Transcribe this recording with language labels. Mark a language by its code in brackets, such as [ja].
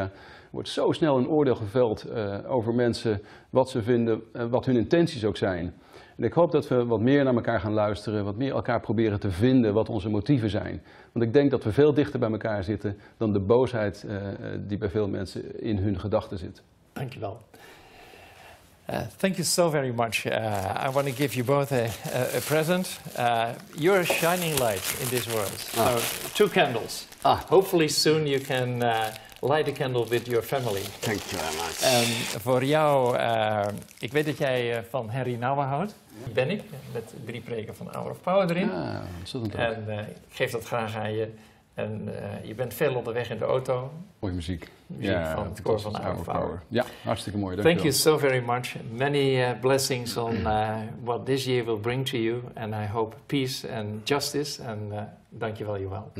[nl] Er wordt zo snel een oordeel geveld over mensen, wat ze vinden, wat hun intenties ook zijn. En ik hoop dat we wat meer naar elkaar gaan luisteren, wat meer elkaar proberen te vinden wat onze motieven zijn. Want ik denk dat we veel dichter bij elkaar zitten dan de boosheid die bij veel mensen in hun gedachten zit. [en] Dankjewel. Thank you so very much. I want to give you both a present. You're a shining light in this world. Ah. So, two candles. Ah. Hopefully soon you can light a candle with your family. Thank you very much. [nl] Voor jou, ik weet dat jij van Henry Nouwen houdt. Die ben ik, met drie preken van Hour of Power erin. Ja, ontzettend leuk. En ik geef dat graag aan je. En je bent veel onderweg in de auto. Mooie muziek. Muziek ja, van het koor van Hour of Power. Ja, hartstikke mooi. Dank [en] Thank you so very much. Many blessings on what this year will bring to you. And I hope peace and justice. And [nl] dank je wel, [en] Joël.